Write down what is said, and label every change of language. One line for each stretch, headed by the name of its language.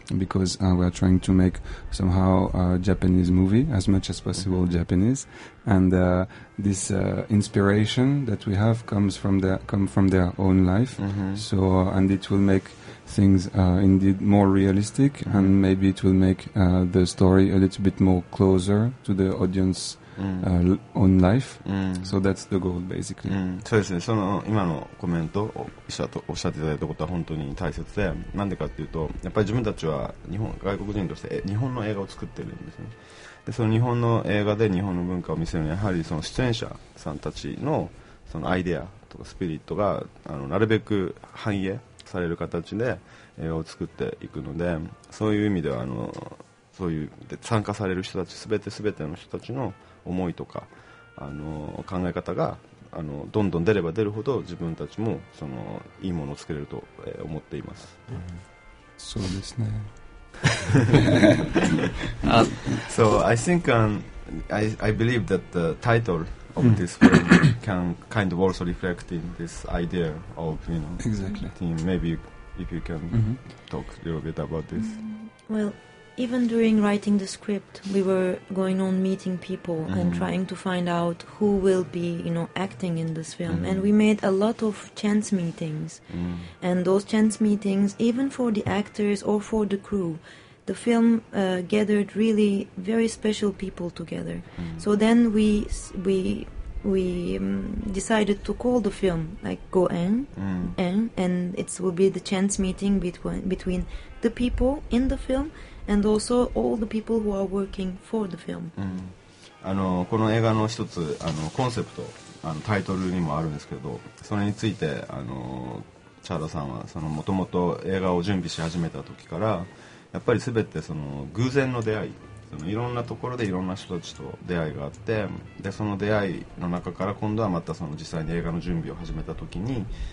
English: Because we are trying to make somehow a Japanese movie as much as possible Japanese, and this inspiration that we have comes from their own life. So and it will make things indeed more realistic, and maybe it will make the story a little bit more closer to the audience. On life. So that's the goal, basically.
Japanese: そうですね。その今のコメントをおっしゃっていただいたことは本当に大切で、なんでかっていうと、やっぱり自分たちは日本外国人として日本の映画を作ってるんですね。で、その日本の映画で日本の文化を見せるには、やはりその出演者さんたちのそのアイデアとかスピリットがなるべく反映される形で映画を作っていくので、そういう意味ではそういうで参加される人たち、すべての人たちの思いとか考え方がどんどん出れば出るほど自分たちもそのいいものを作れると、思っています、そうですね
English: So I think I believe that the title of this film can kind of also reflect in this idea of Exactly. team. Maybe if you can talk a little bit about this. WellEven during writing the script, we were going on meeting people and trying to find out who will be, you know, acting in this film. And we made a lot of chance meetings. And those chance meetings, even for the actors or for the crew, the film gathered really very special people together. So then we decided to call the film like Go-eng, and it will be the chance meeting between the people in the film. And also all the people who are working for the film.
Japanese: この映画の一つコンセプト、タイトルにもあるんですけど、それについてチャーダさんはその元々映画を準備し始めた時から、やっぱり全てその偶然の出会い、そのいろんなところでいろんな人たちと出会いがあって、でその出会いの中から今度はまたその実際に映画の準備を始めた時に。